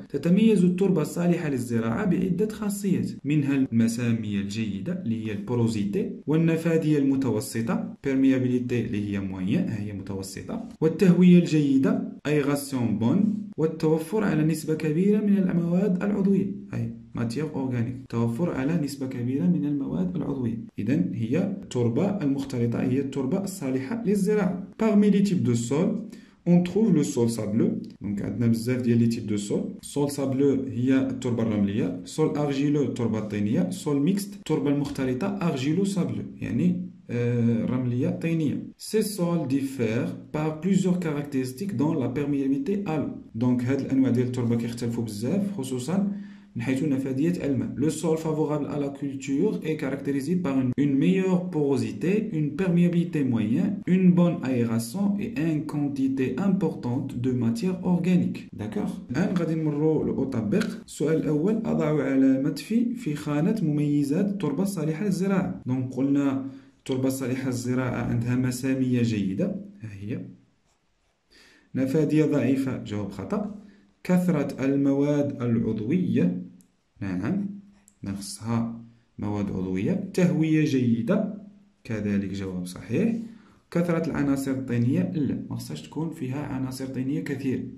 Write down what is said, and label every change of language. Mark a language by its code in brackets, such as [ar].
[ar] تتميز التربة الصالحة للزراعة بعدة خاصيات، منها المسامية الجيدة اللي هي البوروزيتي، والنفادية المتوسطة بيرميابيليتي اللي هي موين، هي متوسطة، والتهوية الجيدة اي غاسيون بون، والتوفر على نسبة كبيرة من المواد العضوية اي ماتيغ اورغانيك، توفر على نسبة كبيرة من المواد العضوية. اذا هي التربة المختلطة هي التربة الصالحة للزراعة. [fr] parmi les types de sol on trouve le sol sableux، [ar] دونك عندنا بزاف ديال لي تيب دو سول. سول سابلو هي التربة الرملية، سول ارجيلو التربة الطينية، سول ميكست التربة المختلطة ارجيلو سابلو يعني رملية طينية. [fr] Ces sols diffèrent par plusieurs caractéristiques dans la perméabilité à l'eau. [ar] Donc هاد الأنواع ديال التربة كيختلفوا بزاف، خصوصا من حيث نفادية الماء. [fr] Le sol favorable à la culture est caractérisé par une meilleure porosité, une perméabilité moyenne, une bonne aération et une quantité importante de matière organique. [ar] D'accord. الآن غادي نمرو للطبق. السؤال الأول، أضع علامات في خانة مميزات التربة الصالحة للزراعة. دونك قلنا التربة الصالحة للزراعة عندها مسامية جيدة، ها هي، نفادية ضعيفة، جواب خطأ، كثرة المواد العضوية، نعم نقصها مواد عضوية، تهوية جيدة، كذلك جواب صحيح، كثرة العناصر الطينية، لا ما خصهاش تكون فيها عناصر طينية كثير.